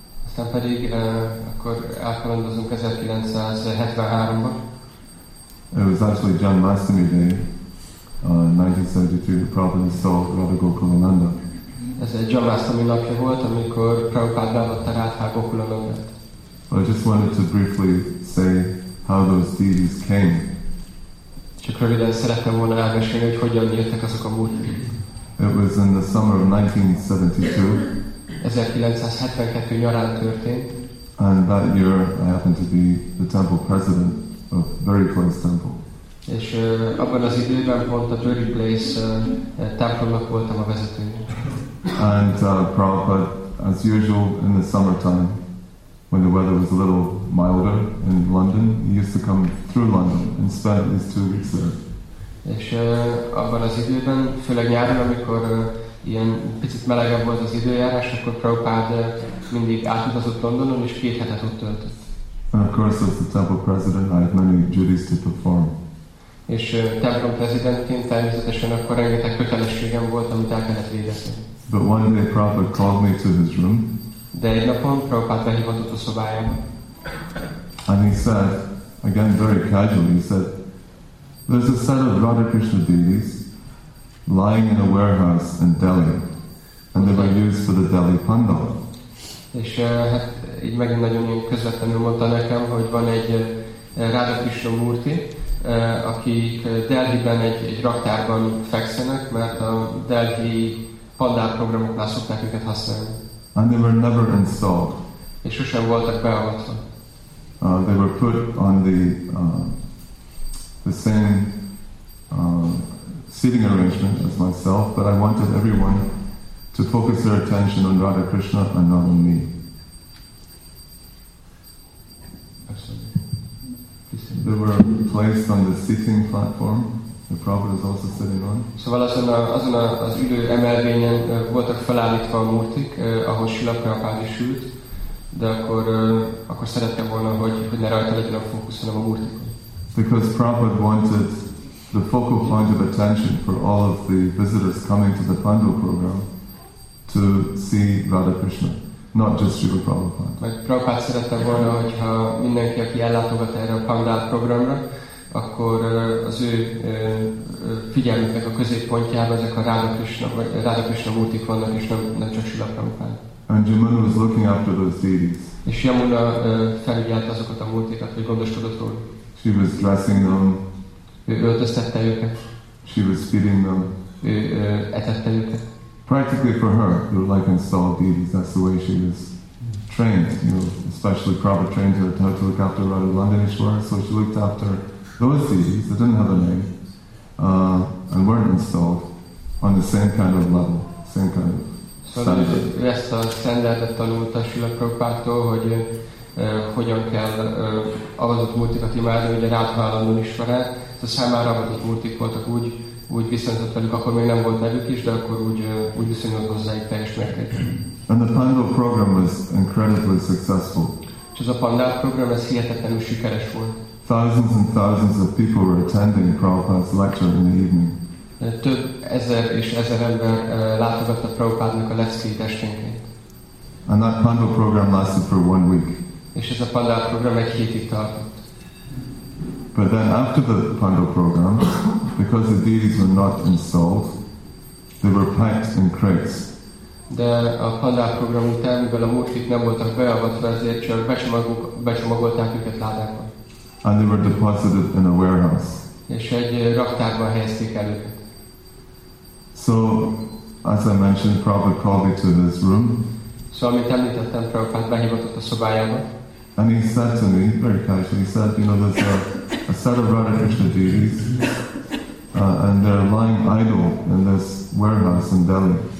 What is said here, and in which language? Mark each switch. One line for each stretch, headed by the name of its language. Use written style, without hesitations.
Hungarian: Aztán pedig akkor elkalandozunk 1973-ba.
English: It was actually Janmashtami day. 1972, Prabhupada saw Radha Gokulananda.
Hungarian: Ez egy Janmashtami napja volt, amikor Prabhupada beavatta Radha Gokulanandát.
English: I just wanted to briefly say how those deities came.
Hungarian: Csak röviden szerettem volna elmesélni, hogy hogyan jöttek azok a múlt.
English: It was in the summer of 1972.
Hungarian: 1972 nyarán történt.
English: And that year I happened to be the temple president of very close temple.
Hungarian: És abban az időben pont a Very Place templomnak voltam a vezetője.
English: And Prabhupada, as usual in the summertime, when the weather was a little milder in London, he used to come through London and spend at least 2 weeks there.
Hungarian: És abban az időben, főleg nyáron, amikor ilyen picit melegebb volt az időjárás, akkor Prabhupada mindig átutazott Londonon, és 2 hetet ott töltött.
English: And of course, as the temple president, I had many duties to perform.
Hungarian: És templom prezidentként természetesen akkor rengeteg kötelességem volt, amit el kellett végezni.
English: But one day Prabhupada called me to his room.
Hungarian: De egy napon Prabhupada behívott a szobájába.
English: And he said, again very casually, he said, there's a set of Radha Krishna deities lying in a warehouse in Delhi, and they were used for the Delhi Pandal.
Hungarian: És hát így megint nagyon közvetlenül mondta nekem, hogy van egy Radha Krishna murti, akik Delhi-ben egy raktárban fekszenek, mert a Delhi Pandal programoknál szokták őket használni.
English: And they were never installed.
Hungarian: És sosem voltak beavatva.
English: They were put on the same seating arrangement as myself, but I wanted everyone to focus their attention on Radha Krishna and not on me. They were placed on the seating platform. The Prabhupada was also sitting on.
Hungarian: Szóval azon az ülő emelvényen voltak felállítva a murtik, ahol Srila Prabhupada is ült, de akkor szerettem volna, hogy ne rajta legyen a fókusz, hanem a murtikon.
English: Because Prabhupada wanted the focal point of attention for all of the visitors coming to the Pandal program to see Radha Krishna, not just Srila Prabhupada.
Hungarian: Mert Prabhupada szerette volna, hogyha mindenki, aki ellátogat erre a Pandal programra, akkor az ő figyelmüknek a középpontjában ezek a Radha Krishna murtik vannak, és nem csak Srila Prabhupada.
English: And Jamuna was looking after those deities.
Hungarian: És Jamuna felügyelte azokat a murtikat, hogy gondoskodott róla.
English: She was dressing them.
Hungarian: Ő öltöztette őket.
English: She was feeding them.
Hungarian: Ő etette őket.
English: Practically for her, they were like installed deities. That's the way she was trained. You know, especially Prabhupada trained her how to look after Radha Londonishwara. So she looked after those deities that didn't have a name and weren't installed on the same kind of level, same kind of standard.
Hungarian: Ezt a standardet tanulta Srila Prabhupától, hogy hogyan kell avatott multikat imádni, ugye Radha Londonishwarát. A számára avatott multik voltak úgy viszonyított velük, akkor még nem volt nevük is, de akkor úgy viszonyított hozzá egy teljes mértékben.
English: And the Pandal program was incredibly successful.
Hungarian: És az a Pandal program, ez hihetetlenül sikeres volt.
English: Thousands and thousands of people were attending Prabhupada's lecture in the evening.
Hungarian: Több ezer és ezer ember látogatta Prabhupádnak a leckét esténként.
English: And that Pandal program lasted for 1 week.
Hungarian: És ez a Pandal program egy hétig tartott.
English: But then after the Pandal program, because the deities were not installed, they were packed in crates.
Hungarian: De a Pandal program után, mivel a murtik nem voltak beavatva, ezért csak becsomagolták őket ládákba.
English: And they were deposited in a warehouse.
Hungarian: És egy raktárban helyezték el.
English: So, as I mentioned, Prabhupada called me to his room.
Hungarian: So, amit említettem, Prabhupada behívott a szobájába.
English: And he said to me, very casually, he said, you know, there's a set of Radha Krishna deities and they're lying idle in this warehouse in Delhi.